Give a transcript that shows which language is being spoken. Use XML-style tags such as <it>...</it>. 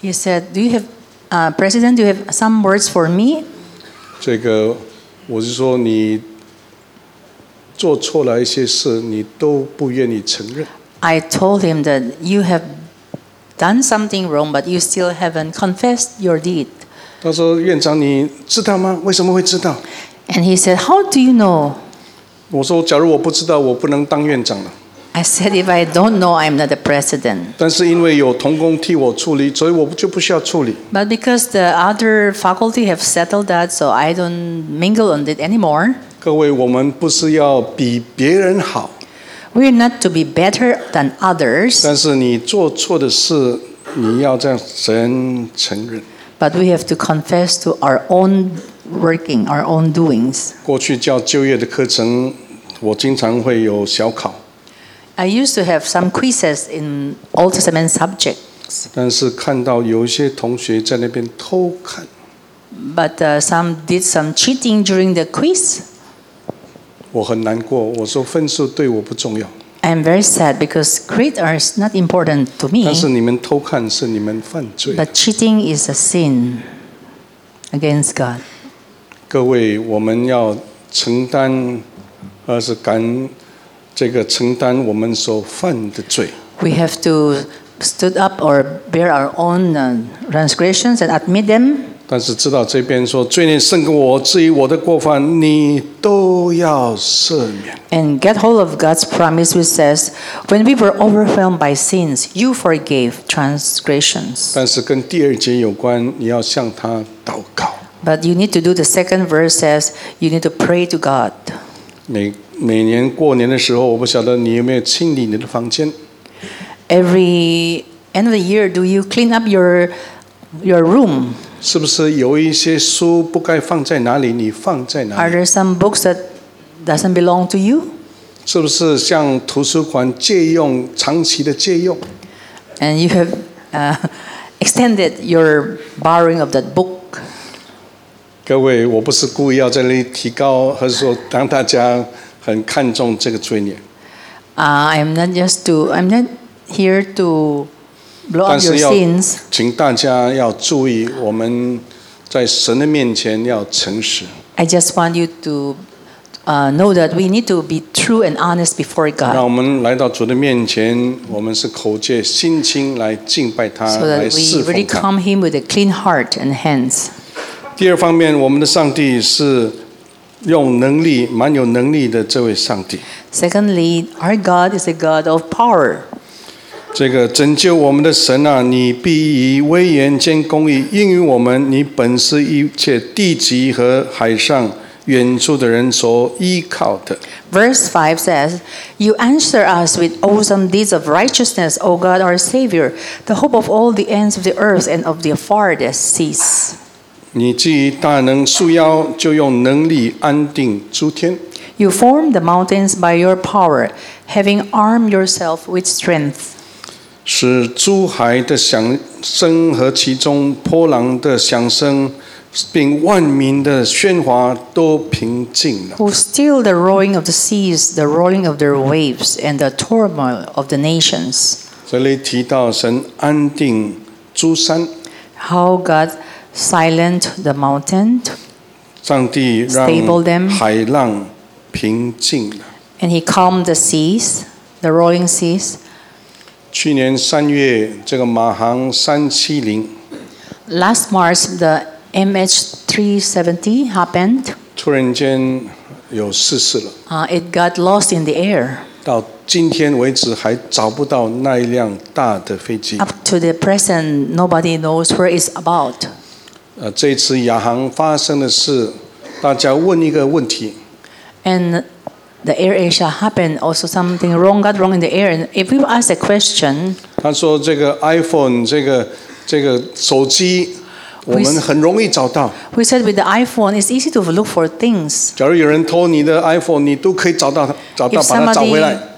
<en>He said, "Do you have, President? Do you have some words for me?"</en> <zh>这个。我是说你做错了一些事你都不愿意承认。</zh> <en>I told him that you have done something wrong, but you still haven't confessed your deed.</en> <zh>他说院长你知道吗为什么会知道</zh> <en>And he said, how do you know?</en> <zh>我说假如我不知道我不能当院长了。</zh> <en>I said, if I don't know, I'm not the president.</en> <zh>但是因为有同工替我处理所以我就不需要处理。</zh> <en>But because the other faculty have settled that, so I don't mingle on it anymore.</en> <zh>各位我们不是要比别人好。</zh> <en>We're not to be better than others.</en> <zh>但是你做错的事你要向神承认。</zh> <en>But we have to confess to our own working, our own doings.</en> <zh>过去教就业的课程，我经常会有小考。</zh> <en>I used to have some quizzes in Old Testament subjects.</en> <zh>但是看到有一些同学在那边偷看。</zh> <en>But some did some cheating during the quiz.</en> <zh>我很难过，我说分数对我不重要。</zh> <en>I'm very sad because grades are not important to me.</en> <zh>但是你们偷看是你们犯罪。</zh> <en>But cheating is a sin against God.</en> <zh>各位，我们要承担，而是敢这个承担我们所犯的罪。</zh> <en>We have to stood up or bear our own transgressions and admit them.</en> <zh>但是知道这边说罪孽胜过我，至于我的过犯，你都要赦免。</zh> <en>And get hold of God's promise, which says, when we were overwhelmed by sins, you forgave transgressions.</en> <zh>但是跟第二节有关，你要向他祷告。</zh> <en>But you need to do the second verse says you need to pray to God.</en> <zh>每年过年的时候，我不晓得你有没有清理你的房间。</zh> <en>Every end of the year, do you clean up your room?</en> <zh>是不是有一些书不该放在哪里，你放在哪里？</zh> <en>Are there some books that doesn't belong to you?</en> <zh>是不是向图书馆借用，长期的借用？</zh> <en>And you have extended your borrowing of that book.</en> <zh>各位，我不是故意要在那里提高，还是说让大家很看重这个罪孽。</zh> <en>I'm not here to blow up your sins.</en> <zh>请大家要注意，我们在神的面前要诚实。</zh> <en>I just want you to know that we need to be true and honest before God.</en> <zh>让我们来到主的面前，我们是口借心清来敬拜他，来侍奉他。</zh> <en>So that we really come him with a clean heart and hands.</en> <zh>第二方面，我们的上帝是用能力，蛮有能力的这位上帝。</zh> <en>Secondly, our God is a God of power.</en> <zh>这个拯救我们的神啊，你必以威严兼公义应允我们，你本是一切地极和海上远处的人所依靠的。</zh> <en>Verse 5 says, You answer us with awesome deeds of righteousness, O God our Savior, the hope of all the ends of the earth and of the farthest seas.</en> <zh>你既大能束腰，就用能力安定诸天。</zh> <en>You form the mountains by your power, having armed yourself with strength.</en> <zh>使诸海的响声和其中波浪的响声，并万民的喧哗都平静了。</zh> <en>Who still the roaring of the seas, the rolling of their waves, and the turmoil of the nations?</en> <zh>这里提到神安定诸山。</zh> <en>How God. Silent the mountain,</en> <zh>上帝让海浪平静了。</zh> <en>And he calmed the seas, the rolling seas.</en> <zh>去年三月，这个马航370。</zh> <en>Last March, the MH370 happened.</en> <zh>突然间有失事了。</zh> <en>It got lost in the air.</en> <zh>到今天为止还找不到那一辆大的飞机。</zh> <en>Up to the present, nobody knows where it's about.</en> <zh>这次亚航发生的事，大家问一个问题。</zh> <en>And the Air Asia happened, also something wrong got wrong in the air. And if we ask a question,</en> <zh>他说这个 iPhone 这个手机，我们很容易找到。</zh> <en>We said with the iPhone, it's easy to look for things.</en> <zh>假如有人偷你的 iPhone, 你都可以找到把它找回来。</zh>